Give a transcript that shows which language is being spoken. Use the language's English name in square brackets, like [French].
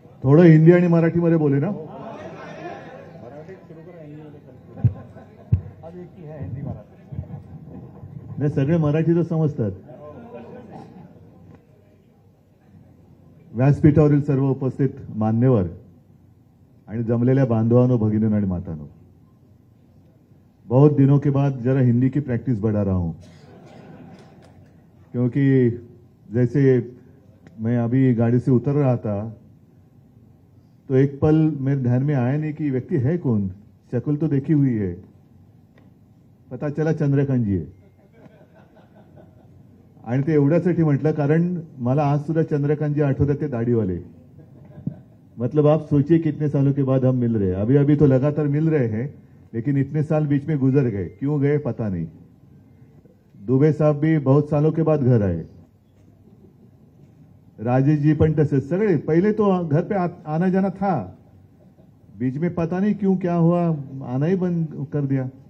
[Marathi] थोड़ा हिंदी आणि मराठी मध्ये बोले ना, नाही सगळे मराठी तर समजतात। व्यासपीठावरील सर्व उपस्थित मान्यवर आणि जमलेल्या बांधवांनो, भगिनींनो आणि मातांनो, [Hindi] बहुत दिनों के बाद जरा हिंदी की प्रैक्टिस बढ़ा रहा हूं, क्योंकि जैसे मैं अभी गाड़ी से उतर रहा था तो एक पल मेरे ध्यान में आया नहीं कि व्यक्ति है कौन। शक्ल तो देखी हुई है, पता चला चंद्रकांत जी है। [Marathi] आणि ते एवढ्यासाठी म्हटलं कारण मला आज सुद्धा चंद्रकांत जी आठवते [Hindi] थे, दाढ़ी वाले। मतलब आप सोचिए कितने सालों के बाद हम मिल रहे हैं। अभी अभी तो लगातार मिल रहे हैं, लेकिन इतने साल बीच में गुजर गए, क्यों गए पता नहीं। दुबे साहब भी बहुत सालों के बाद घर आए, राजेश जी [Marathi] पण तसेच, सगळे। [Hindi] पहले तो घर पे आना जाना था, बीच में पता नहीं क्यों क्या हुआ आना ही बंद कर दिया।